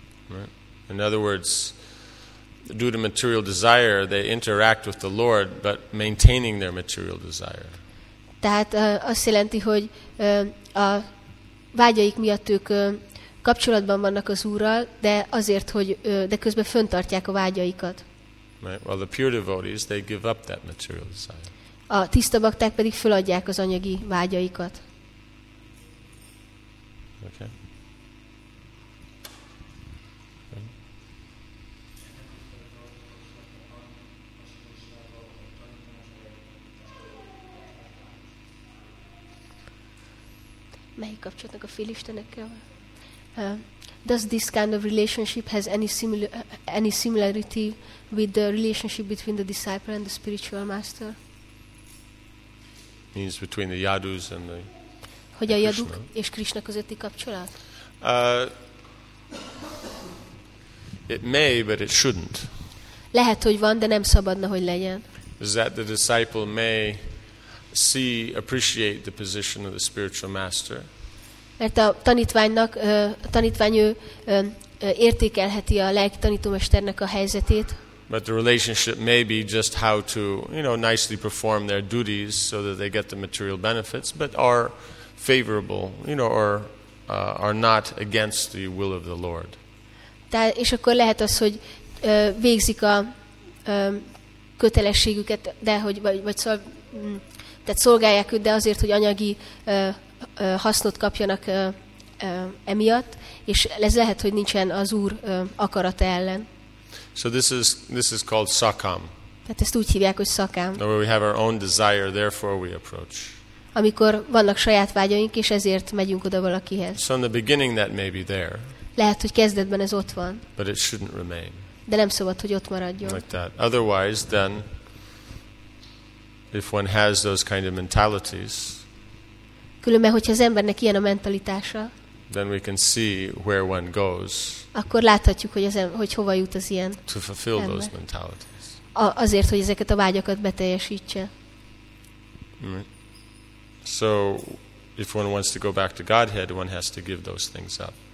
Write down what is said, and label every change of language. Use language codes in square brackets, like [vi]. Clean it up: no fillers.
[en] Right. In other words, due to material desire, they interact with the Lord, but maintaining their material desire. [hu] Tehát azt jelenti, hogy a vágyaik miatt ők kapcsolatban vannak az Úrral, de azért, hogy de közben föntartják a vágyaikat. [en] Right. Well, the pure devotees, they give up that material desire. [hu] A tiszta bakták pedig feladják az anyagi vágyaikat. [en] Okay. [hu] Melyik kapcsolatnak a félistenekkel van? [en] Does this kind of relationship has any similarity with the relationship between the disciple and the spiritual master? Means between the Yadus and the [hu] hogy a Yaduk és Krishna közötti kapcsolat? [en] It may, but it shouldn't. [hu] Lehet, hogy van, de nem szabadna, hogy legyen. [en] Is that the disciple may see, appreciate the position of the spiritual master. [hu] Mert a tanítványnak, a tanítvány ő értékelheti a lelki tanítómesternek a helyzetét. [en] But the relationship may be just how to, you know, nicely perform their duties so that they get the material benefits, but are favorable, you know, or are not against the will of the Lord. [hu] Tehát és akkor lehet az, hogy végzik a kötelességüket, de hogy vagy szóval, tehát szolgálják őt, de azért, hogy anyagi hasznot kapjanak emiatt, és ez lehet, hogy nincsen az Úr akarata ellen. [en] So this is called sakam. [hu] Tehát ezt úgy hívják, hogy sakam. [en] Where we have our own desire, therefore we approach. [hu] Amikor vannak saját vágyaink, és ezért megyünk oda valakihez. [en] So in the beginning that may be there. [hu] Lehet, hogy kezdetben ez ott van. [en] But it shouldn't remain. [hu] De nem szabad, hogy ott maradjon. [en] Like that. Otherwise, then, if one has those kind of mentalities, [hu] különben, hogyha az embernek ilyen a mentalitása, [en] then we can see where one goes, [hu] akkor láthatjuk, hogy hogy hova jut az ilyen [en] to fulfill ember. Those mentalities. [hu] Azért, hogy ezeket a vágyakat beteljesítse. [en] So, if one wants to go back to Godhead, one has to give those things up.